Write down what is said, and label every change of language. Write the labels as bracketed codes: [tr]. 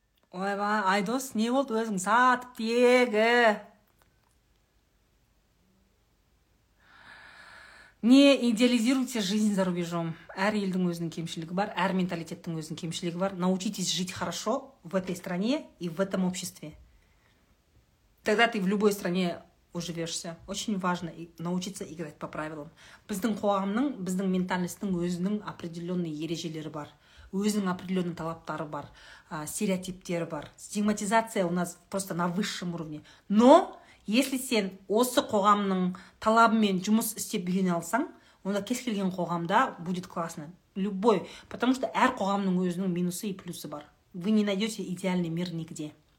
[ru] Ой, ва, айдос, не вот өзің сатып тегі. Не идеализируйте жизнь за рубежом. [kk] Әр елдің өзінің кемшілігі бар, әр менталитеттің өзінің кемшілігі бар. [ru] Научитесь жить хорошо в этой стране и в этом обществе. Тогда ты в любой стране уживешься. Очень важно научиться играть по правилам. [kk] Біздің қоғамның, біздің ментальностьтің өзінің определенные ережелері бар. Өзінің определенный талаптары бар, стереотиптері бар. [ru] Стигматизация у нас просто на высшем уровне. Но если [kk] сен осы қоғамның талабымен жұмыс істеп үйрене алсаң, онда кез келген қоғамда [ru] будет классно. Любой. Потому что [kk] әр қоғамның өзінің минусы [ru] и плюсы [kk] бар. [ru] Вы не найдете идеальный мир нигде.